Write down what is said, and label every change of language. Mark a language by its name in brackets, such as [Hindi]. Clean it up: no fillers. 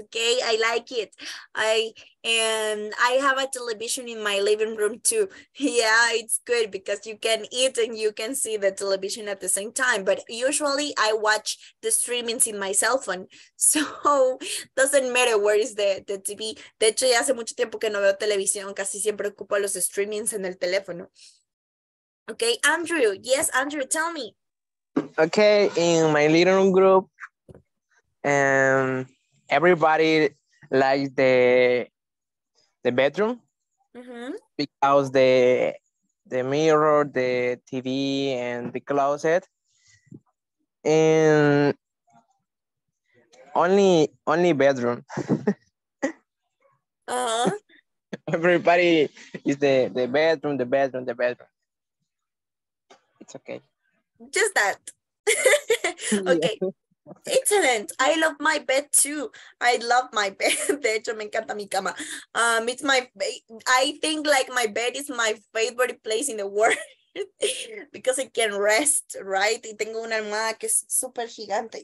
[English] Okay, I like it. I have a television in my living room too. Yeah, it's good because you can eat and you can see the television at the same time. But usually I watch the streamings in my cell phone. So doesn't matter where is the TV. [Spanish] De hecho, ya hace mucho tiempo que no veo televisión. Casi siempre ocupo los streamings en el teléfono. [English] Okay, Andrew. Yes, Andrew, tell me. Okay, in my little group, everybody likes the bedroom because the mirror, the TV, and the closet. And only bedroom. Uh-huh. Everybody is the bedroom. It's okay. Just that. Okay. Excellent. I love my bed too. I love my bed. [Spanish] De hecho, me encanta mi cama. [English] It's my, I think like my bed is my favorite place in the world because it can rest, right? [Spanish] Y tengo una almohada que es súper gigante.